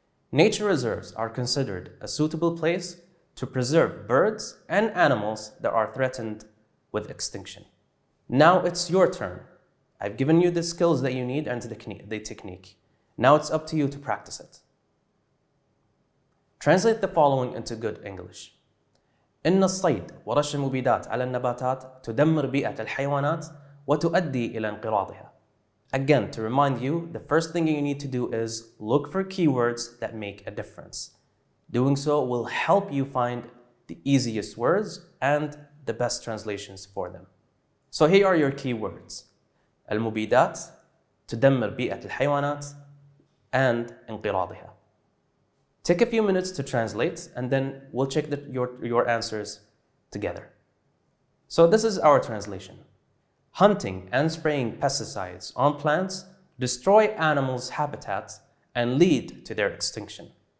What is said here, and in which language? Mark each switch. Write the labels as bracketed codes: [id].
[en] Nature reserves are considered a suitable place to preserve birds and animals that are threatened with extinction. Now it's your turn. I've given you the skills that you need and the technique. Now it's up to you to practice it. Translate the following into good English. [ar] إن الصيد ورش المبيدات على النباتات تدمر بيئة الحيوانات وتؤدي إلى انقراضها. [en] Again, to remind you, the first thing you need to do is look for keywords that make a difference. Doing so will help you find the easiest words and the best translations for them. So here are your keywords. [ar] المبيدات, تدمر بيئة الحيوانات, and انقراضها. [en] Take a few minutes to translate, and then we'll check your answers together. So this is our translation. Hunting and spraying pesticides on plants destroy animals' habitats and lead to their extinction.